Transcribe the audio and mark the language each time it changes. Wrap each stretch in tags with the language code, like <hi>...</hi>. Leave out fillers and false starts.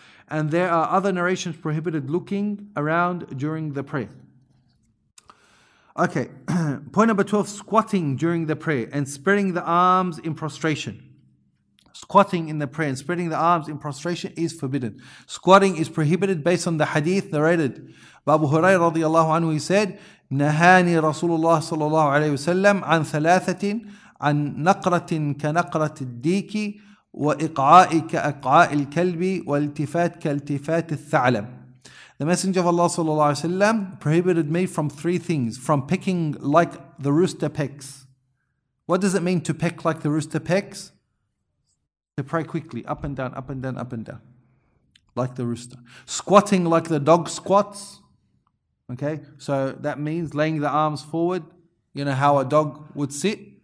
<en>And there are other narrations prohibited looking around during the prayer. Okay, point number 12, squatting during the prayer and spreading the arms in prostration. Squatting in the prayer and spreading the arms in prostration is forbidden. Squatting is prohibited based on the hadith narrated by Abu Hurairah radiallahu anhu. He said,</en> <ar>نهاني رسول الله صلى الله عليه وسلم عن ثلاثة عن نقرة كنقرة الديك وإقعاء كإقعاء الكلب والتفات كالتفات الثعلب.</ar> <en>The Messenger of Allah</en> <ar>صلى الله عليه وسلم</ar> <en>prohibited me from three things: from pecking like the rooster pecks. What does it mean to peck like the rooster pecks? To pray quickly, up and down, up and down, up and down, like the rooster. Squatting like the dog squats. Okay, so that means laying the arms forward, you know how a dog would sit.</en>